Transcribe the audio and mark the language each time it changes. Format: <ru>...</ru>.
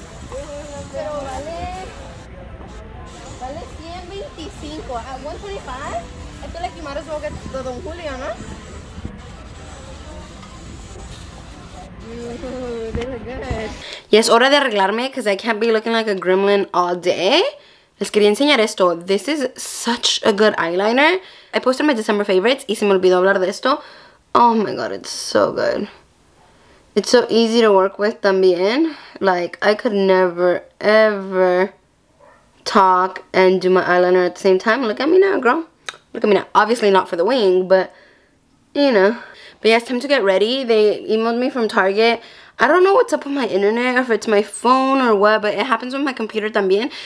<es>Pero vale. Vale 125.</es> <en>At 125? I feel like you might as well get the Don Julio, no? Ooh, they look good.</en> <es>Y es hora de arreglarme</es> <en>because I can't be looking like a gremlin all day.</en> <es>Les quería enseñar esto.</es> <en>This is such a good eyeliner. I posted my December favorites</en> <es>y se me olvidó hablar de esto.</es> <en>Oh my god, it's so good. It's so easy to work with también. Like, I could never, ever talk and do my eyeliner at the same time. Look at me now, girl. Look at me now. Obviously not for the wing, but you know. But yeah, it's time to get ready. They emailed me from Target. I don't know what's up with my internet, or if it's my phone or what, but it happens with my computer también.</en>